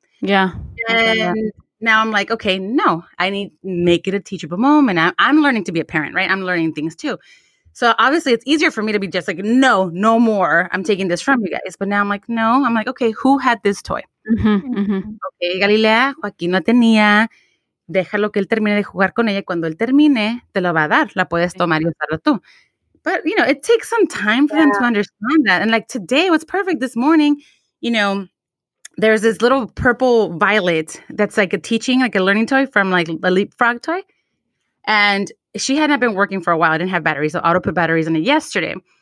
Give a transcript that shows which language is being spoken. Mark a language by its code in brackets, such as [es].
[en] Yeah. And now I'm like, okay, no, I need to make it a teachable moment. I'm learning to be a parent, right? I'm learning things too. So obviously it's easier for me to be just like, no, no more. I'm taking this from you guys. But now I'm like, no. I'm like, okay, who had this toy? Mm-hmm. Okay, Galilea, [es] Joaquín no tenía. Déjalo que él termine de jugar con ella. Cuando él termine, te lo va a dar. La puedes tomar y usarlo tú. [en] But, you know, it takes some time for them to understand that. And like today was perfect. This morning, you know, there's this little purple violet that's like a teaching, like a learning toy from like a leapfrog toy. And she had not been working for a while. I didn't have batteries. So I auto put batteries in it yesterday.